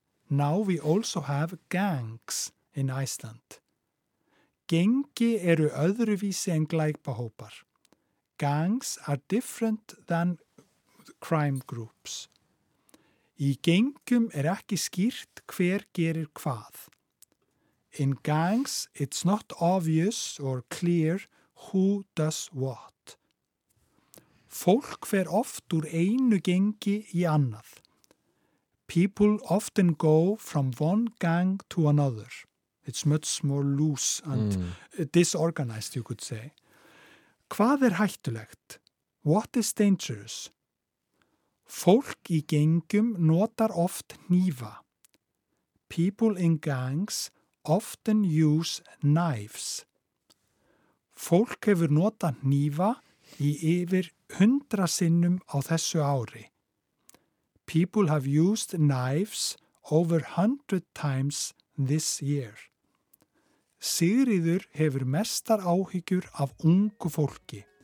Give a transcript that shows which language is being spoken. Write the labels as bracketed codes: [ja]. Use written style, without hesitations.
[en] Now we also have gangs in Iceland. [is] Gengi öðruvísi en glæpahópar. [en] Gangs are different than crime groups. [is] Í gengum ekki skýrt hver gerir hvað. [en] In gangs, it's not obvious or clear who does what. [is] Fólk fer oft úr einu gengi í annað. [en] People often go from one gang to another. It's much more loose and disorganized, you could say. [is] Hvað hættulegt? [en] What is dangerous? [is] Fólk í gengum notar oft hnífa. [en] People in gangs often use knives. [is] Fólk hefur notað hnífa í yfir 100 sinnum á þessu ári. [en] People have used knives over 100 times this year. [is] Sigríður hefur mestar áhyggjur af ungu fólki.